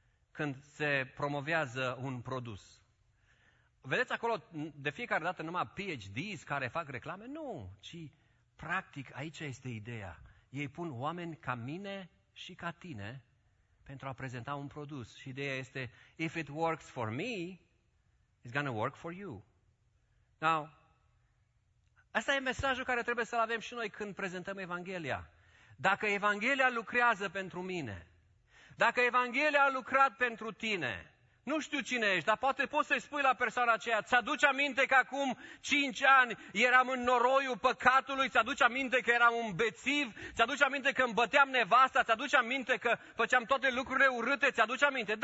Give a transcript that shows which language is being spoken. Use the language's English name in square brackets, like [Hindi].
[Romanian] Când se promovează un produs. Vedeți acolo de fiecare dată numai PhDs care fac reclame? Nu, ci practic aici este ideea. Ei pun oameni ca mine și ca tine pentru a prezenta un produs. Și ideea este, [English] if it works for me, it's gonna work for you. [Romanian] Now, asta e mesajul care trebuie să-l avem și noi când prezentăm Evanghelia. Dacă Evanghelia lucrează pentru mine, dacă Evanghelia a lucrat pentru tine, nu știu cine ești, dar poate poți să-i spui la persoana aceea, ți-aduci aminte că acum 5 ani eram în noroiul păcatului, ți-aduci aminte că eram un bețiv, ți-aduci aminte că îmi băteam nevasta, ți-aduci aminte că făceam toate lucrurile urâte, ți-aduci aminte?